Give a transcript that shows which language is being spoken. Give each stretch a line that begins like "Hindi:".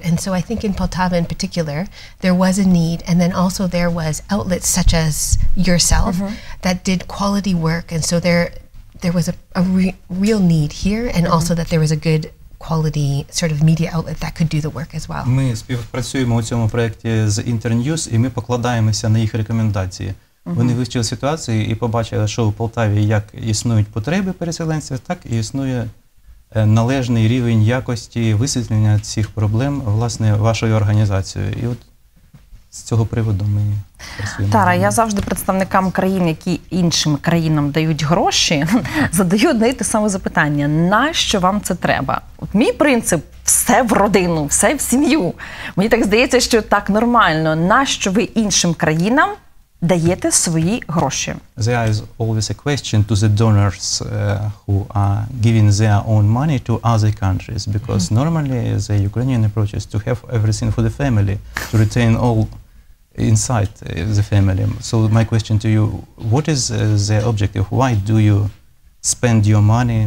English: And so I think in Poltava in particular, there was a need. And then also there was outlets such as yourself that did quality work. And so there was a real need here and also that there was a good quality sort of media outlet that could do the work as well.
Ukrainian: Ми співпрацюємо у цьому проєкті з Internews, і ми покладаємося на їх рекомендації. Вони вивчили ситуацію і побачили, що у Полтаві як існують потреби переселенців, так і існує належний рівень якості висвітлення цих проблем власне вашою організацією. І от з цього приводу ми працюємо. Тара, я завжди представникам країн, які іншим країнам дають гроші, задаю одне і те саме запитання. Нащо вам це треба? От мій принцип – все в родину, все в сім'ю. Мені так здається, що так нормально. Нащо ви іншим країнам даєте свої гроші?
English: There is always a question to the donors who are giving their own money to other countries, because mm-hmm. normally the Ukrainian approach is to have everything for the family, to retain all inside the family. So my question to you, what is the objective? Why do you spend your money?